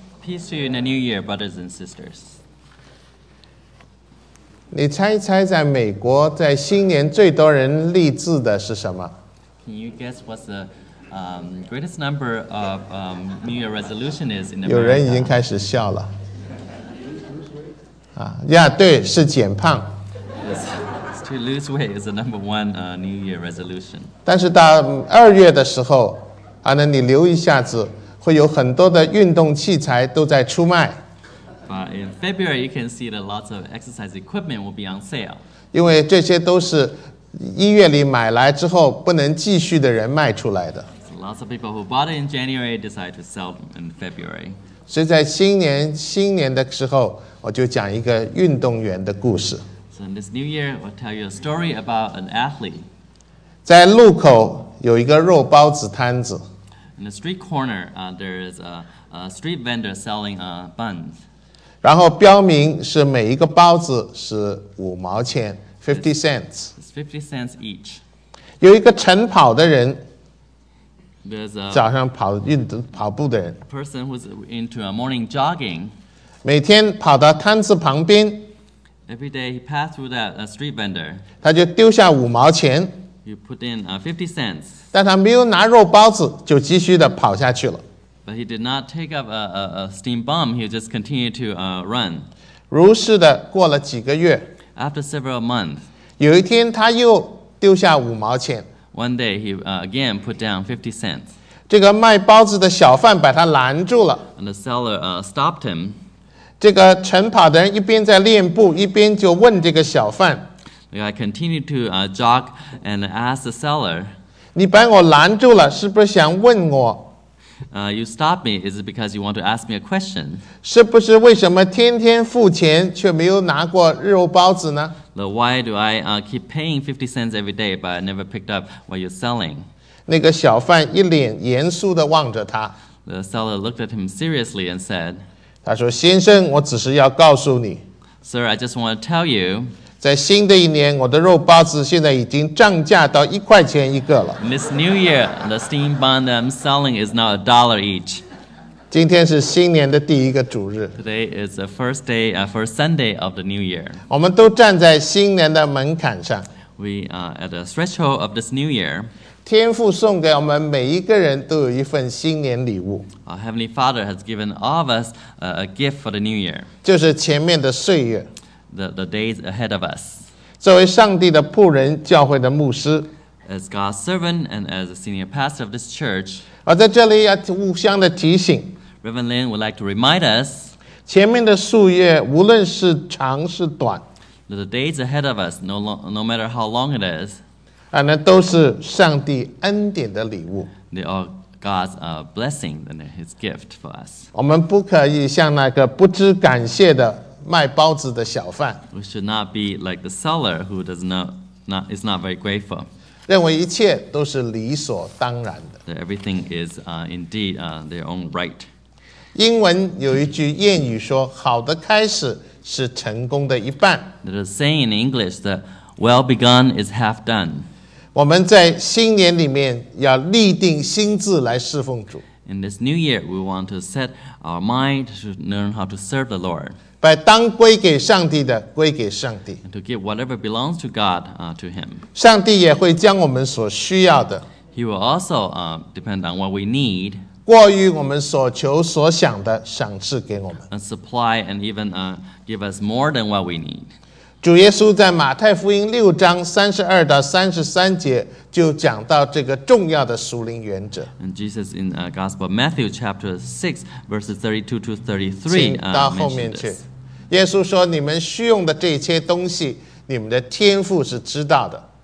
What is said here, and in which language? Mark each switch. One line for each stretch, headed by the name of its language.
English: Peace to you in the new year, brothers and sisters.
Chinese: 你猜一猜，在美国，在新年最多人立志的是什么？
English: Can you guess what's the greatest number of New Year resolution is in America?
Chinese: 有人已经开始笑了。啊呀，对，是减胖。
English: To lose weight is the number one New Year resolution.
Chinese: 但是到二月的时候，啊，那你留一下子，会有很多的运动器材都在出卖。
English: But in February, you can see that lots of exercise equipment will be on sale.
Chinese: 因为这些都是一月里买来之后不能继续的人卖出来的。
English: So、lots of people who bought it in January decide to sell them in February.
Chinese: 所以在新年的时候，我就讲一个运动员的故事。
English: So in this new year, I'll tell you a story about an athlete.
Chinese: 在路口有一个肉包子摊子。
English: In the street corner, there is a street vendor selling buns.
Chinese: 然后标明是每一个包子是5毛钱 ,
English: 50 cents. It's 50 cents each.
Chinese: 有一个晨跑的人。
English: There's a
Chinese: 早上跑步的人。
English: A person who's into a morning jogging.
Chinese: 每天跑到摊子旁边。
English: Every day he passed through that street vendor.
Chinese: 他就丢下五毛钱。
English: You put in 50 cents.
Chinese: 但他没有拿肉包子，就继续的跑下去了。
English: But he did not take up a steam bomb. He just continued to run.
Chinese: 如是的过了几个月。
English: After several months.
Chinese: 有一天他又丢下五毛钱。
English: One day he again put down 50 cents.
Chinese: 这个卖包子的小贩把他拦住了。
English: And the seller stopped him.
Chinese: 这个晨跑的人一边在练步，一边就问这个小贩。
English: The guy continued to jog and asked the seller.
Chinese: 你把我拦住了，是不是想问我？
English: You stopped me. Is it because you want to ask me a question?
Chinese: 是不是为什么天天付钱却没有拿过肉包子呢？
English: The why do I keep paying 50 cents every day, but I never picked up what you're selling?
Chinese: 那个小贩一脸严肃地望着他。
English: The seller looked at him seriously and said.
Chinese: 他说：“先生，我只是要告诉你
English: ，Sir, I just want to tell you，
Chinese: 在新的一年，我的肉包子现在已经涨价到1块钱一个了。
English: This new year, the steam bun that I'm selling is now $1 each。
Chinese: 今天是新年的第一个主日
English: ，Today is the first day, first Sunday of the new year。
Chinese: 我们都站在新年的门槛上
English: ，We are at the threshold of this new year。”
Chinese: 天父送给我们每一个人都有一份新年礼物。
English: Our Heavenly Father has given all of us a gift for the new year.
Chinese: 就是前面的岁月。
English: The days ahead of us.
Chinese: 作为上帝的仆人，教会的牧师。
English: As God's servant and as a senior pastor of this church.
Chinese: 我在这里要互相的提醒。
English: Reverend Lin would like to remind us.
Chinese: 前面的岁月，无论是长是短。
English: The days ahead of us, no matter how long it is.
Chinese: 那都是上帝恩典的礼物。
English: They are God's blessing and His gift for us.
Chinese: 我们不可以像那个不知感谢的卖包子的小贩。
English: We should not be like the seller who does not is not very grateful.
Chinese: 认为一切都是理所当然的。
English: That everything is indeed their own right.
Chinese: 英文有一句谚语说：“好的开始是成功的一半。”
English: There's a saying in English that well begun is half done.
Chinese: 我们在新年里面要立定心志来侍奉主。
English: In this new year, we want to set our mind to learn how to serve the Lord.
Chinese: 把当归给上帝的归给上帝。
English: And to give whatever belongs to God, to Him.
Chinese: 上帝也会将我们所需要的。
English: He will also, depend on what we need.
Chinese: 过于我们所求所想的赏赐给我们。
English: And supply and even, give us more than what we need.
Chinese: 主耶稣在马太福音6:32-33就讲到这个重要的属灵原则。
English: And Jesus in Gospel Matthew chapter 6:32-33
Chinese: 到后面去。耶稣说：“你们需用的这些东西，你们的天父是知道的。